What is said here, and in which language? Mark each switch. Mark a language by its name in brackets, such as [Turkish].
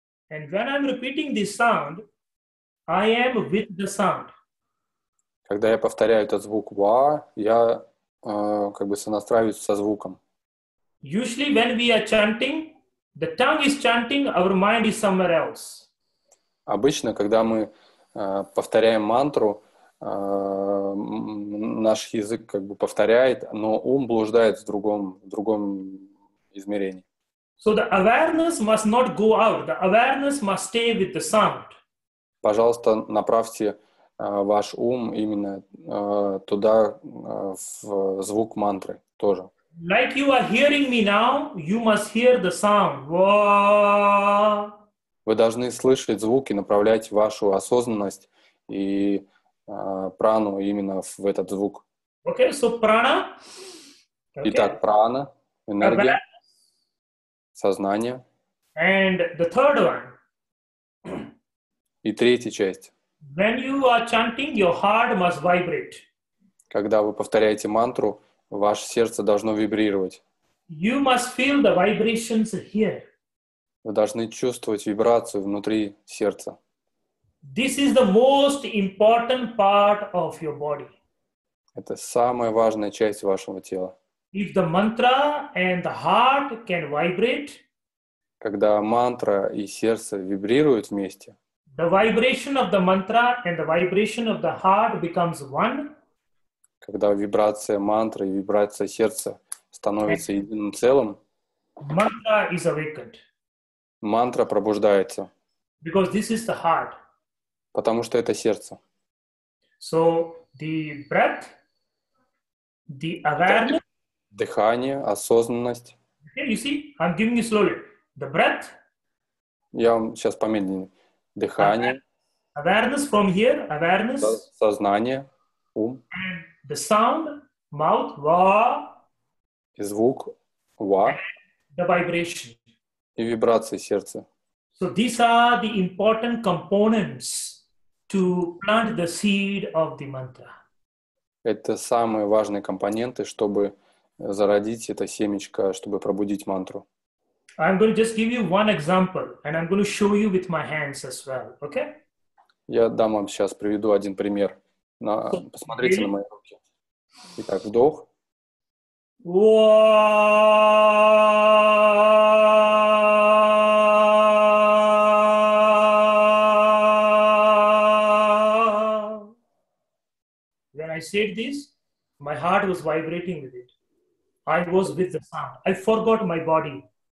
[English] And when I'm repeating this sound, I am with the sound. [Russian] Когда я повторяю этот звук «ва», я как бы сонастраиваются со звуком. [English] Usually when we are chanting, the tongue is chanting, our mind is somewhere else. [Russian] Обычно, когда мы повторяем мантру, наш язык как бы повторяет, но ум блуждает в другом измерении. [English] So the awareness must not go out. The awareness must stay with the sound. [Russian] Пожалуйста, направьте ваш ум именно туда, в звук мантры тоже. [English] Like you are hearing me now, you must hear the sound. [Russian] Вы должны слышать звук и направлять вашу осознанность и прану именно в этот звук. [English] Okay, so prana. Okay. [Russian] Итак, прана, энергия, сознание. [English] And the third one. [Russian] И третья часть. [English] When you are chanting, your heart must vibrate. [Russian] Когда вы повторяете мантру, ваше сердце должно вибрировать. [English] You must feel the vibrations here. [Russian] Вы должны чувствовать вибрацию внутри сердца. [English] This is the most important part of your body. [Russian] Это самая важная часть вашего тела. [English] If the mantra and the heart can vibrate, [Russian] когда мантра и сердце вибрируют вместе, [English] the vibration of the mantra and the vibration of the heart becomes one. [Russian] Когда вибрация мантры и вибрация сердца становятся единым целым, [English] mantra is awakened. [Russian] Мантра пробуждается. [English] Because this is the heart. [Russian] Потому что это сердце. [English] So the breath, the awareness. [Russian] Дыхание, осознанность. [English] Okay, you see, I'm giving you slowly. The breath. [Russian] Я вам сейчас помедленнее. Дыхание, [English] awareness from here, awareness, [Russian] сознание, ум, [English] and the sound, mouth, [Russian] и звук, ва, [English] the vibration. [Russian] И вибрации сердца. [English] So these are the important components to plant the seed of the mantra. [Russian] Это самые важные компоненты, чтобы зародить это семечко, чтобы пробудить мантру. [English] I'm going to just give you one example, and I'm going to show you with my hands as well, okay? [Russian] Я дам вам сейчас приведу один пример. Посмотрите на мои руки. Итак, вдох. [English] When I said this, my heart was vibrating with it. I was with the sound. I forgot my body.